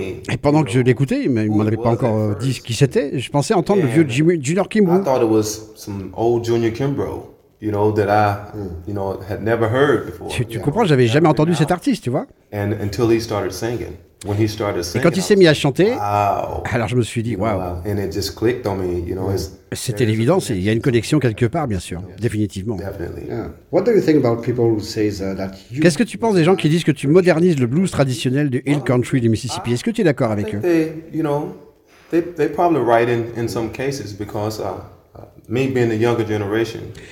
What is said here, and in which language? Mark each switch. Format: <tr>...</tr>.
<fr>Et pendant que je l'écoutais, il ne m'en avait pas encore dit qui c'était, je pensais entendre le vieux Junior Kimbrough.</fr> <en>I thought it was some old Junior Kimbrough. Had never heard before.</en> <fr>Tu comprends, j'avais jamais entendu cet artiste, tu vois.</fr> <en>And until he started singing, when he started singing,</en> <fr>et quand il s'est mis à chanter, alors je me suis dit, waouh.</fr> <en>And it just clicked on me,</en> <fr>C'était l'évidence. Il y a une connexion quelque part, bien sûr, définitivement.</fr> <en>Definitely. Yeah. What do you think about people who say that you?</en> <fr>Qu'est-ce que tu penses des gens qui disent que tu modernises le blues traditionnel du Hill Country du Mississippi? Est-ce que tu es d'accord avec eux?</fr> <en>They probably right in some cases because me being the younger generation.</en>